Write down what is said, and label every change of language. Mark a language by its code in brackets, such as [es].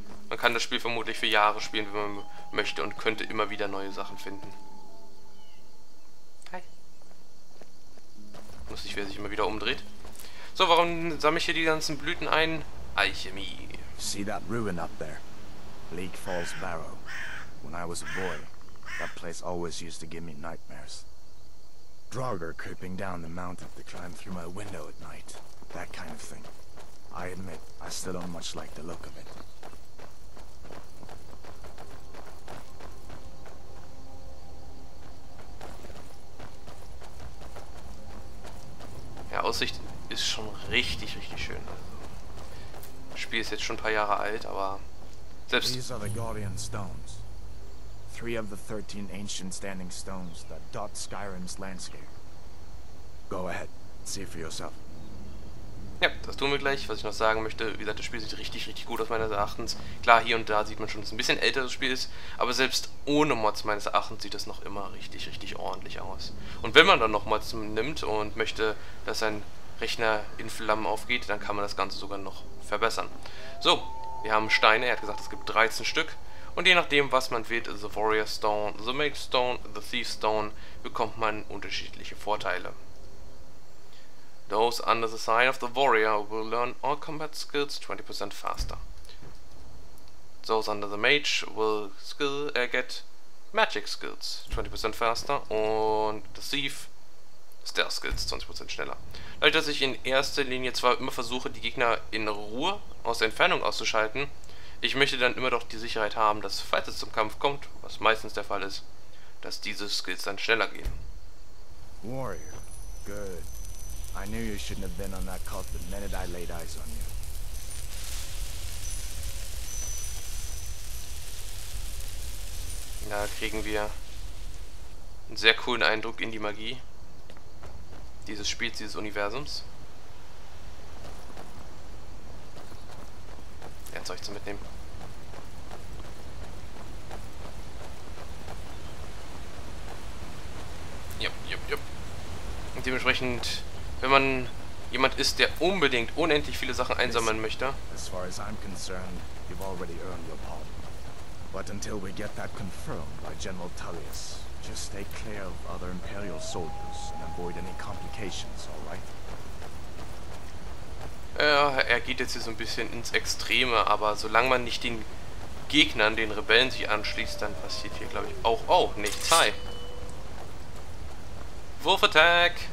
[de] Man kann das Spiel vermutlich für Jahre spielen, wenn man möchte und könnte immer wieder neue Sachen finden. Lustig, wer sich immer wieder umdreht. So, warum sammle ich hier die ganzen Blüten ein? Alchemie. [en] See that ruin up there? Bleak Falls Barrow. When I was a boy, that place always used to give me nightmares. Draugr creeping down the mountain to climb through my window at night. That kind of thing. I admit, I still don't much like the look of it. [de] Ja, Aussicht ist schon richtig, richtig schön. Also, das Spiel ist jetzt schon ein paar Jahre alt, aber selbst... [en] These are the Guardian Stones. Three of the 13 ancient standing stones that dot Skyrim's landscape. Go ahead, see for yourself. [de] Ja, das tun wir gleich. Was ich noch sagen möchte, wie gesagt, das Spiel sieht richtig, richtig gut aus meines Erachtens. Klar, hier und da sieht man schon, dass es ein bisschen älteres Spiel ist, aber selbst ohne Mods meines Erachtens sieht es noch immer richtig, richtig ordentlich aus. Und wenn man dann noch Mods nimmt und möchte, dass sein Rechner in Flammen aufgeht, dann kann man das Ganze sogar noch verbessern. So, wir haben Steine. Er hat gesagt, es gibt 13 Stück. Und je nachdem, was man wählt, The Warrior Stone, The Mage Stone, The Thief Stone, bekommt man unterschiedliche Vorteile. [en] Those under the sign of the warrior will learn all combat skills 20% faster. Those under the mage will get magic skills 20% faster und the thief stealth skills 20% schneller. [de] Dadurch, dass ich in erster Linie zwar immer versuche, die Gegner in Ruhe aus der Entfernung auszuschalten, ich möchte dann immer doch die Sicherheit haben, dass falls es zum Kampf kommt, was meistens der Fall ist, dass diese Skills dann schneller gehen. [en] Warrior, good. I knew you shouldn't have been on that cult the minute I laid eyes on you. [de] Da kriegen wir einen sehr coolen Eindruck in die Magie dieses Spiels, dieses Universums. Ein Zeug zu mitnehmen. Jupp, jupp, jupp. Und dementsprechend, wenn man jemand ist, der unbedingt unendlich viele Sachen einsammeln möchte. [en] As far as I'm concerned, you've already earned your pardon. But until we get that confirmed by General Tullius, just stay clear of other Imperial soldiers and avoid any complications, alright? [de] Ja, er geht jetzt hier so ein bisschen ins Extreme, aber solange man nicht den Gegnern, den Rebellen sich anschließt, dann passiert hier, glaube ich, auch nichts. Hi! Wurfattack!